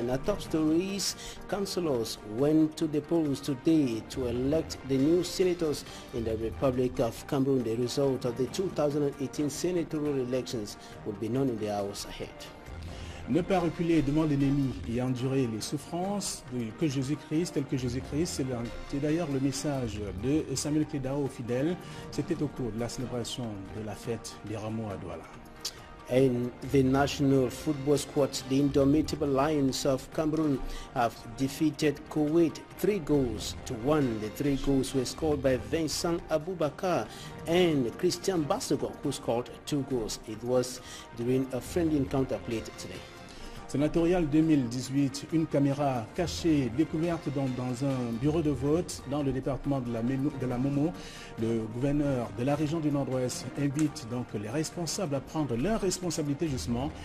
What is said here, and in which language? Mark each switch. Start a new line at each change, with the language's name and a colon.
English: In our top stories, councillors went to the polls today to elect the new senators in the Republic of Cameroon. The result of the 2018 senatorial elections will be known in the hours ahead.
French: Ne pas reculer devant l'ennemi et endurer les souffrances que Jésus-Christ, tel que Jésus-Christ, c'est d'ailleurs le message de Samuel Kédao aux fidèles. C'était au cours de la célébration de la fête des Rameaux à Douala.
English: And the national football squad, the Indomitable Lions of Cameroon, have defeated Kuwait 3-1. The 3 goals were scored by Vincent Aboubakar and Christian Bastogok, who scored 2 goals. It was during a friendly encounter played today.
French: Sénatorial 2018, une caméra cachée découverte dans un bureau de vote dans le département de la Momo. Le gouverneur de la région du Nord-Ouest invite donc les responsables à prendre leurs responsabilités justement.